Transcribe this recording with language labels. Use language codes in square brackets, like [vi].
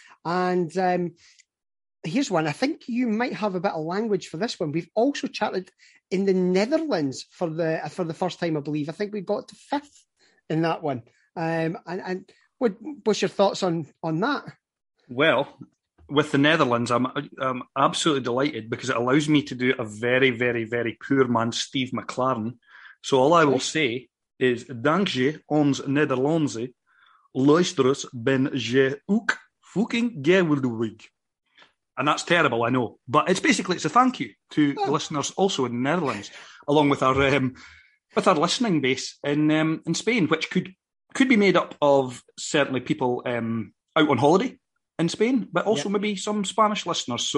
[en] And here's one. I think you might have a bit of language for this one. We've also charted in the Netherlands for the first time, I believe. I think we got to fifth in that one. What's your thoughts on that? Well, with the Netherlands, I'm absolutely delighted because it allows me to do a very, very, very poor man, Steve McLaren. So all I will say is [nl] dankje ons Nederlandse luisterers ben je ook fucking geweldig. [en] And that's terrible, I know. But it's basically, it's a thank you to listeners also in the Netherlands, along with our listening base in Spain, which could be made up of certainly people out on holiday in Spain, but also maybe some Spanish listeners.